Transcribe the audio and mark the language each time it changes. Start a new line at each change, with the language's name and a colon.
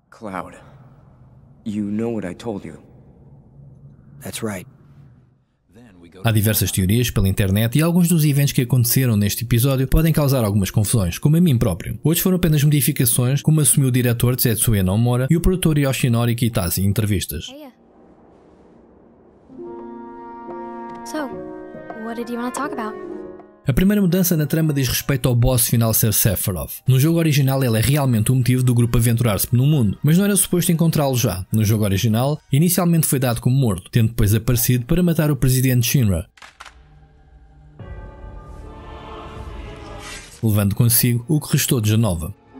English: Cloud, you know what I told you. That's right.
Portuguese: Há diversas teorias pela internet e alguns dos eventos que aconteceram neste episódio podem causar algumas confusões, como a mim próprio. Outros foram apenas modificações, como assumiu o diretor Tetsuya Nomura e o produtor Yoshinori Kitase em entrevistas.
English: So, what did you want to talk about?
Portuguese: A primeira mudança na trama diz respeito ao boss final ser Sephiroth. No jogo original ele é realmente o motivo do grupo aventurar-se pelo mundo, mas não era suposto encontrá-lo já. No jogo original, inicialmente foi dado como morto, tendo depois aparecido para matar o presidente Shinra, levando consigo o que restou de Genova.